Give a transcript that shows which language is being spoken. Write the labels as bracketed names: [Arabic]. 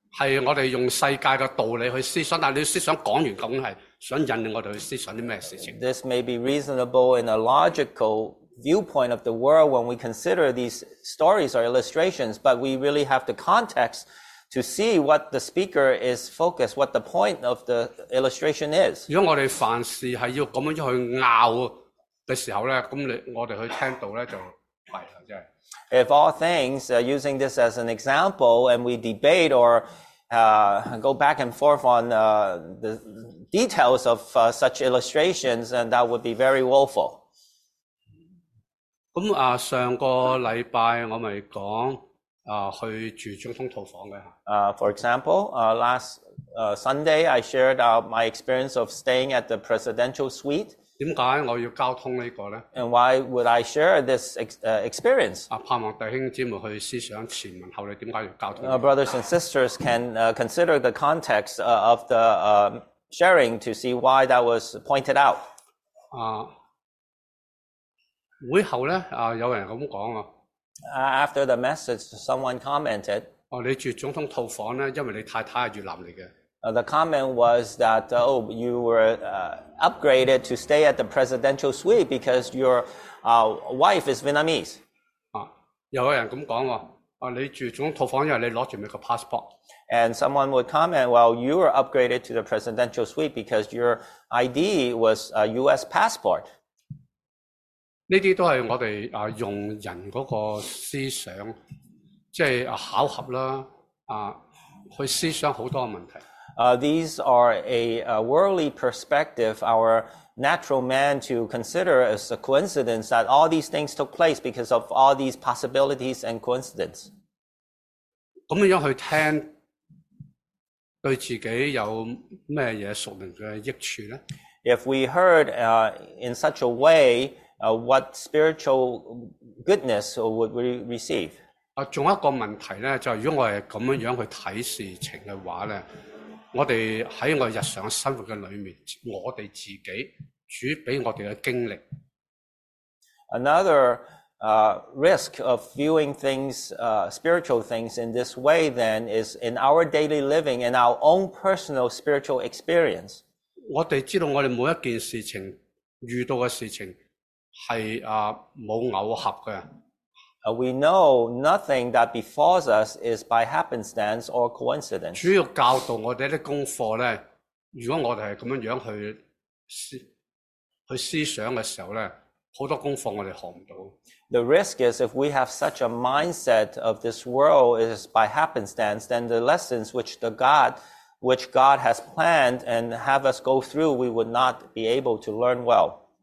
[Cantonese] 係我哋用世界嘅道理去思想，但你思想講完咁係想引領我哋去思想啲咩事情。 [English] This may be reasonable in a logical viewpoint of the world when we consider these stories or illustrations, but we really have the context to see what the speaker is focused, what the point of the illustration is. [Cantonese] 如果我哋凡事係要咁樣去拗嘅時候咧，咁我哋去聽到咧就弊啦，真係。 [English] If all things, using this as an example, and we debate or go back and forth on the details of such illustrations, and that would be very woeful. [Cantonese] 咁上個禮拜我咪講去住總統套房嘅。 [English] For example, last Sunday I shared my experience of staying at the presidential suite. [Cantonese] 點解我要交通呢個咧 [English] ？And why would I share this experience？ [Cantonese] 盼望弟兄姊妹去思想前文後理點解要交通。 [English] Brothers and sisters can consider the context of the sharing to see why that was pointed out. [Cantonese] 會後咧有人咁講啊。 [English] After the message, someone commented. [Cantonese] 你住總統套房咧，因為你太太係越南嚟嘅。 [English] The comment was that, oh, you were upgraded to stay at the presidential suite because your wife is Vietnamese. [Cantonese] 有人咁講喎，你住總統套房，因為你攞住美國 passport。 [English] And someone would comment, well, you were upgraded to the presidential suite because your ID was a U.S. passport. [Cantonese] 呢啲都係我哋用人嗰個思想，即係巧合啦，去思想好多問題。 [English] These are a worldly perspective, our natural man to consider as a coincidence that all these things took place because of all these possibilities and coincidence. [Cantonese] 咁樣去聽對自己有咩嘢屬靈嘅益處呢？ [English] If we heard in such a way, what spiritual goodness would we receive? [Cantonese] 仲有一個問題呢，就如果我係咁樣去睇事情嘅話呢，我哋喺我日常嘅生活嘅里面，我哋自己主俾我哋嘅经历。 [English] Another risk of viewing things, spiritual things in this way, then is in our daily living, in our own personal spiritual experience. [Cantonese] 我哋知道我哋每一件事情遇到嘅事情系冇偶合嘅。 [English] We know nothing that befalls us is by happenstance or coincidence. [Cantonese] 主要教導我哋啲功課咧，如果我哋係咁樣樣去思想嘅時候咧，好多功课我哋学唔到。 [English] The risk is if we have such a mindset of this world is by happenstance, then the lessons which God has planned and have us go through, we would not be able to learn well.